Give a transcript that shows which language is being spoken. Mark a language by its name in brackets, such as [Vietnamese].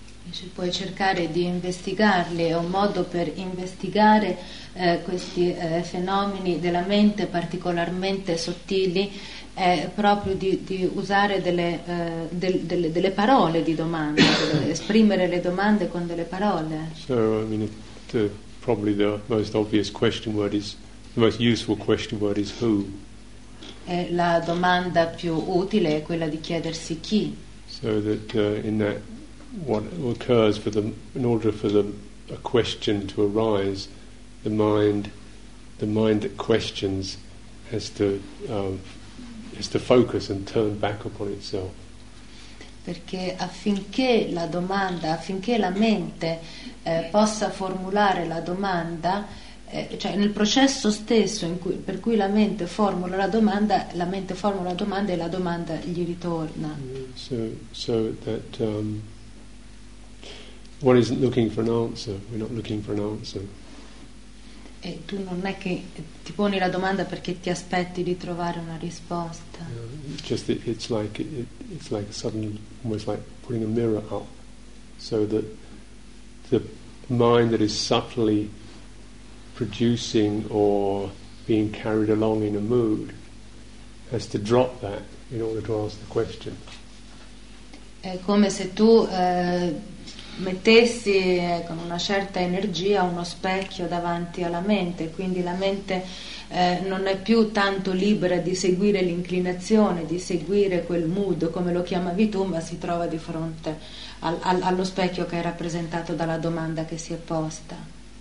[Italian] Si può cercare di investigarli, è un modo per investigare questi fenomeni della mente particolarmente sottili. È proprio di usare delle parole di domanda, esprimere le domande con delle parole. [English] So, I mean, probably the most obvious question word is, the most useful question word is who. [Italian] E la domanda più utile è quella di chiedersi chi. [English] So that in that, what occurs for the, in order for the, a question to arise, the mind that questions has to focus and turn back upon itself. [Italian] Perché affinché la domanda, affinché la mente possa formulare la domanda, cioè nel processo stesso per cui la mente formula la domanda, e la domanda gli ritorna. [English] So that one isn't looking for an answer. We're not looking for an answer. [Italian] E tu non è che ti poni la domanda perché ti aspetti di trovare una risposta. [English] No, just it's like suddenly, almost like putting a mirror up, so that the mind that is subtly producing or being carried along in a mood has to drop that in order to ask the question. [Italian] È come se tu mettessi con una certa energia uno specchio davanti alla mente, quindi la mente non è più tanto libera di seguire l'inclinazione, di seguire quel mood, come lo chiamavi tu, ma si trova di fronte allo specchio che è rappresentato dalla domanda che si è posta.